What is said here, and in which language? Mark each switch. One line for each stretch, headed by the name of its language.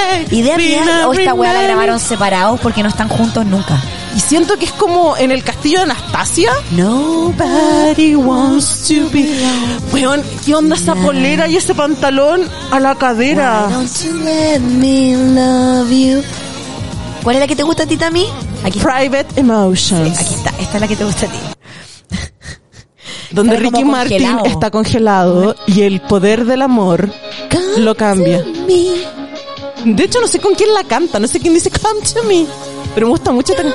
Spanish: Idea mía, o esta weá la grabaron separados porque no están juntos nunca. Y siento que es como en el castillo de Anastasia.
English: Nobody wants to be.
Spanish: Weón, ¿qué onda esa polera y ese pantalón a la cadera?
English: Why don't you let me love you?
Spanish: ¿Cuál es la que te gusta a ti, Tami? Aquí. Private Emotions. Sí, aquí está. Esta es la que te gusta a ti. Donde está Ricky Martin congelado. Está congelado y el poder del amor come lo cambia. De hecho, no sé con quién la canta, no sé quién dice
English: come to me.
Spanish: Pero me gusta mucho.